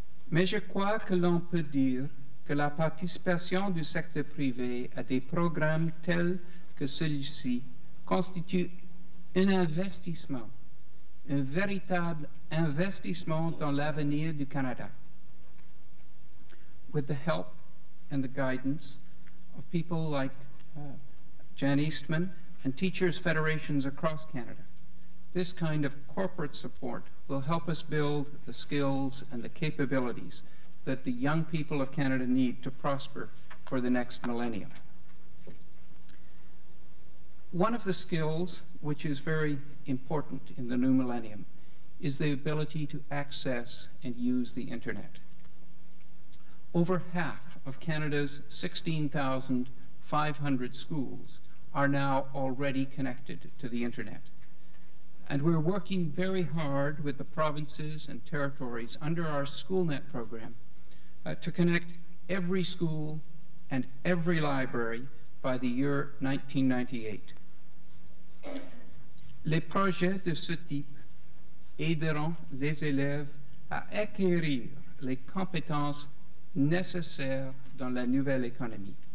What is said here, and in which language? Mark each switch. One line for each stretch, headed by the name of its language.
French: Mais je crois que l'on peut dire que la participation du secteur privé à des programmes tels que celui-ci constitue un investissement, un véritable investissement dans l'avenir du Canada.
English: With the help and the guidance of people like Jan Eastman and teachers' federations across Canada, this kind of corporate support will help us build the skills and the capabilities that the young people of Canada need to prosper for the next millennium. One of the skills which is very important in the new millennium is the ability to access and use the internet. Over half of Canada's 16,500 schools are now already connected to the internet. And we're working very hard with the provinces and territories under our SchoolNet program to connect every school and every library by the year 1998.
French: Les projets de ce type aideront les élèves à acquérir les compétences nécessaires dans la nouvelle économie.